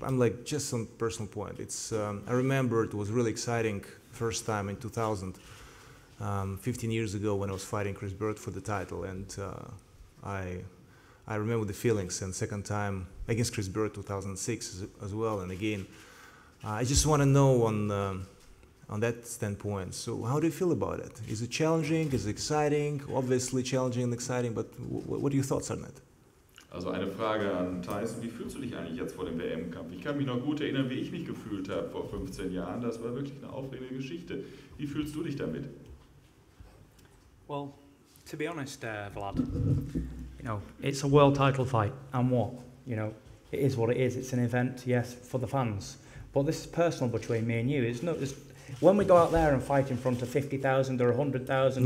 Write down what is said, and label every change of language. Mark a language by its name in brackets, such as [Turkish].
[English] I'm like, just some personal point. It's I remember it was really exciting first time in 2000, 15 years ago, when I was fighting Chris Burt for the title, and I remember the feelings. And second time against Chris Burt 2006 as well, and again, I just want to know on that standpoint. So how do you feel about it? Is it challenging? Is it exciting? Obviously challenging and exciting, but what are your thoughts on it? [German] Also eine Frage an Tyson, wie fühlst du dich eigentlich jetzt vor dem WM-Kampf? Ich kann mich noch gut erinnern, wie ich mich gefühlt habe vor 15 Jahren. Das war wirklich eine aufregende Geschichte. Wie fühlst du dich damit? [English] Well, to be honest, Vlad, you know, it's a world title fight, and what? You know, it is what it is. It's an event, yes, for the fans. But this is personal between me and you. It's not just when we go out there and fight in front of 50,000 or 100,000.